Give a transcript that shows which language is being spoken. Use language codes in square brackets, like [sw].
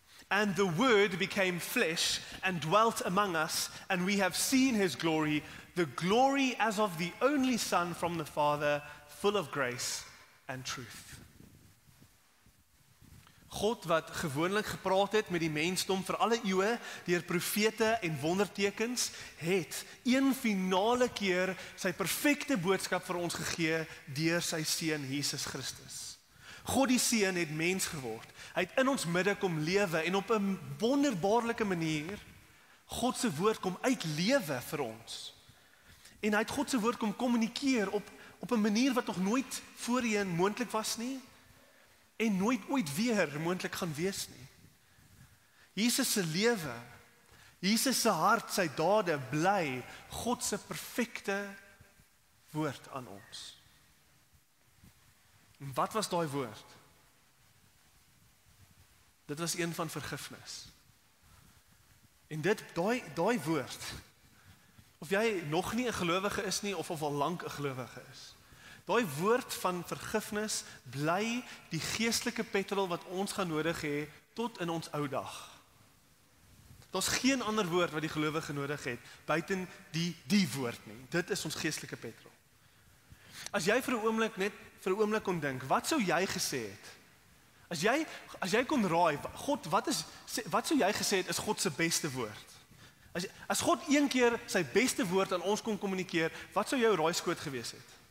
[en] And the Word became flesh and dwelt among us, and we have seen his glory, the glory as of the only Son from the Father, full of grace and truth. [af] God wat gewoonlik gepraat het met die mensdom vir alle eeue, deur profete en wondertekens, het een finale keer sy perfekte boodskap vir ons gegee deur sy Seun Jesus Christus. God die Seun het mens geword. Hy het in ons midde kom lewe en op 'n wonderbaarlike manier God se woord kom uitlewe vir ons. En hy het God se woord kom kommunikeer op 'n manier wat nog nooit voorheen moontlik was nie en nooit ooit weer moontlik gaan wees nie. Jesus se lewe, Jesus se hart, sy dade bly God se perfekte woord aan ons. En wat was daai woord? Dit was een van vergifnis. En dit, daai woord, of jy nog nie 'n gelowige is nie, of al lank 'n gelowige is, daai woord van vergifnis bly die geestelike petrol wat ons gaan nodig hê tot in ons ou dag. Daar's geen ander woord wat die gelowige nodig het, buiten die woord nie. Dit is ons geestelike petrol. As jy vir 'n oomblik net vir 'n oomblik kon dink, wat sou jy gesê het? As jy kon raai, God, wat sou jy gesê het is God se beste woord? As God een keer sy beste woord aan ons kon kommunikeer, wat sou jou raaiskoot gewees het?